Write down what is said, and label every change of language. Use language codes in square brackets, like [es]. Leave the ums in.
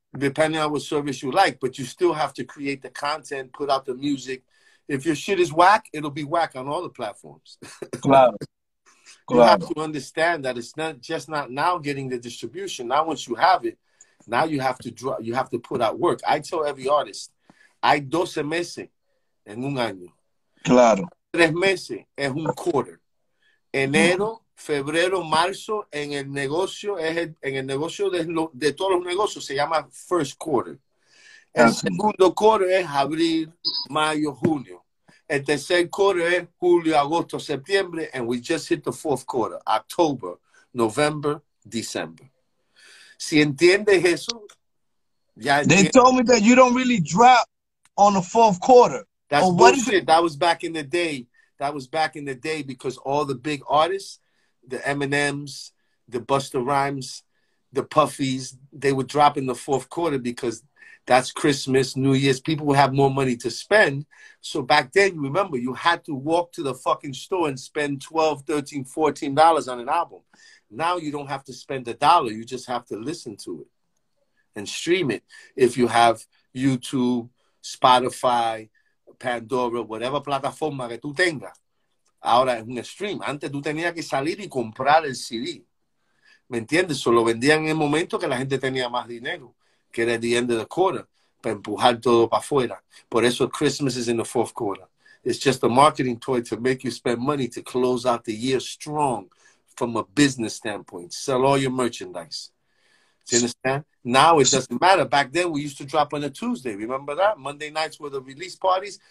[en] Depending on what service you like, but you still have to create the content, put out the music, if your shit is whack, it'll be whack on all the platforms. Claro. you claro. have to understand that it's not just not now getting the distribution. Now once you have it, now you have to draw you have to put out work. I tell every artist, [es] I doce meses en un año. Claro. Tres meses es un quarter. Mm. Enero, febrero, marzo en el negocio es en el negocio de, de todos los negocios se llama first quarter. El segundo coro es abril, mayo, junio. El tercer coro es julio, agosto, septiembre. [en] And we just hit the fourth quarter, October, November, December. [es] Si entiendes eso, ya [en] They yeah. told me that you don't really drop on the fourth quarter. That's oh, bullshit. that was back in the day. That was back in the day because all the big artists, the Eminems, the Buster Rhymes, the Puffies, they would drop in the fourth quarter because that's Christmas, New Year's. People will have more money to spend. So back then, you remember, you had to walk to the fucking store and spend 12 13 $14 on an album. Now you don't have to spend a dollar. You just have to listen to it and stream it. If you have YouTube, Spotify, Pandora, whatever [es] plataforma que tú tengas. Ahora es un stream. Antes tú tenías que salir y comprar el CD. ¿Me entiendes? Solo vendían en el momento que la gente tenía más dinero. [en] Get at the end of the quarter, [es] para empujar todo para afuera. Por eso [en] Christmas is in the fourth quarter. It's just a marketing toy to make you spend money to close out the year strong from a business standpoint. Sell all your merchandise. Do you understand? Now it doesn't matter. Back then, we used to drop on a Tuesday. Remember that? Monday nights were the release parties.